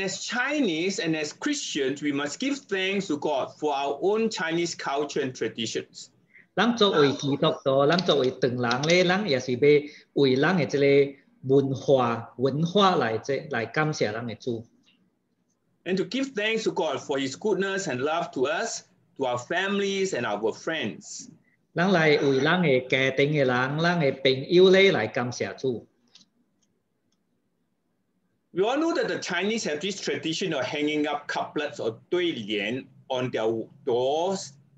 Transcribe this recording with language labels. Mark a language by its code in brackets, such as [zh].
[en] as Chinese and as Christians, we must give thanks to God for our own Chinese culture and traditions. [nan] 咱作为基督徒，咱作为东人咧，咱也是要为咱嘅即个文化来感谢咱嘅主。And [en] to give thanks to God for His goodness and love to us. To our families and our friends. [nan] 咱来为咱的家庭的人，咱的朋友咧来感谢主。 [en] We all know that the Chinese have this tradition of hanging up couplets or 对联 on their doors.